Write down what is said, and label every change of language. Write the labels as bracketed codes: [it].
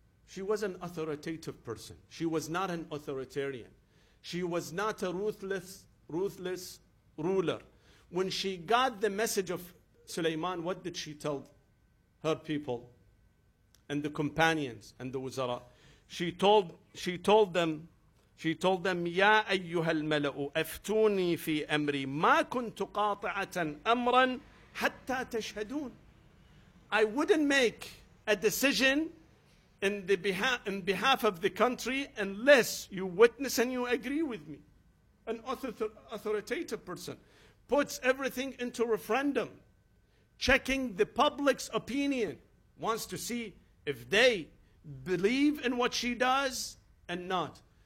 [en] She was an authoritative person. She was not an authoritarian. She was not a ruthless ruler. When she got the message of Sulaiman, what did she tell her people and the companions and the wuzara? She told them, [ar] يَا أَيُّهَا الْمَلَأُ أَفْتُونِي فِي أَمْرِي مَا كُنْتُ قَاطِعَةً أَمْرًا حَتَّى تَشْهَدُونَ. [en] I wouldn't make a decision in behalf of the country unless you witness and you agree with me. An authoritative person puts everything into referendum, checking the public's opinion, wants to see if they believe in what she does and not.